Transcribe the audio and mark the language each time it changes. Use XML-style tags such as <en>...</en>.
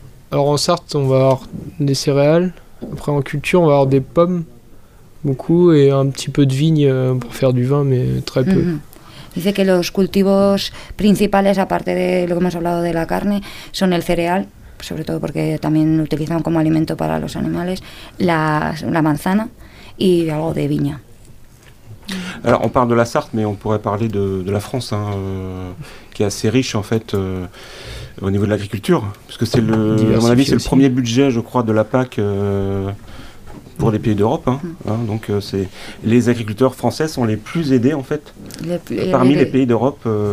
<fr>Alors en Sarthe, on va avoir des céréales. Après, en culture, on va avoir des pommes, beaucoup, et un petit peu de vigne pour faire du vin, mais très peu.</fr> <es>Dice que los cultivos principales, aparte de lo que hemos hablado de la carne, son el cereal, sobre todo porque también lo utilizan como alimento para los animales, la manzana y algo de viña.</es> <fr>Alors, on parle de la Sarthe, mais on pourrait parler de la France, hein, qui est assez riche, en fait, au niveau de l'agriculture, puisque c'est le, à mon avis, c'est le premier budget, je crois, de la PAC pour les pays d'Europe. Donc, c'est les agriculteurs français sont les plus aidés, en fait, les pays d'Europe.</fr>